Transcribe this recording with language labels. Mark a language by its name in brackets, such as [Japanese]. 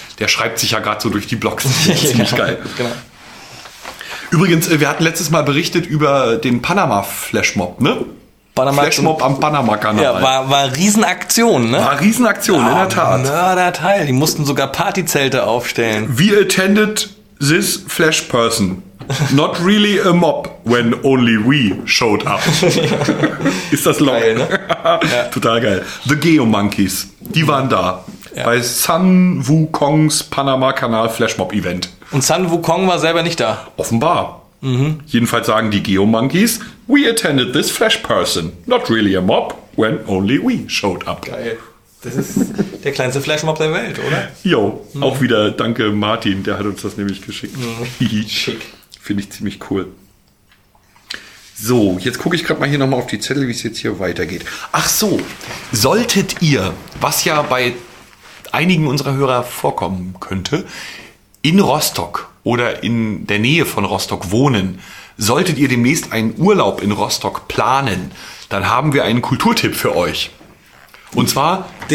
[German] Der schreibt sich ja gerade so durch die Blogs. Das ist ziemlich geil. Übrigens, wir hatten letztes Mal berichtet über den Panama-Flashmob, ne? Flashmob am Panama-Kanal. Ja, war Riesenaktion, ne? War Riesenaktion, ja, in der Tat. Mörderteil, die mussten sogar Partyzelte aufstellen. [English] We attended this Flash Person. Not really a mob when only we showed up. [German] Ist das long? Geil, ne? Ja. Total geil. The Geomonkeys, die waren da. Ja. Bei Sun Wukongs Panama-Kanal-Flashmob-Event. Und Sun Wukong war selber nicht da? Offenbar. Mhm. Jedenfalls sagen die Geomonkeys, [English] we attended this flash person. Not really a mob when only we showed up. [German] Geil. Das ist der kleinste Flashmob der Welt, oder? Jo, auch wieder danke Martin, der hat uns das nämlich geschickt. Schick. Finde ich ziemlich cool. So, jetzt gucke ich gerade mal hier nochmal auf die Zettel, wie es jetzt hier weitergeht. Ach so, solltet ihr, was ja bei einigen unserer Hörer vorkommen könnte, in Rostock oder in der Nähe von Rostock wohnen, solltet ihr demnächst einen Urlaub in Rostock planen, dann haben wir einen Kulturtipp für euch. Und zwar...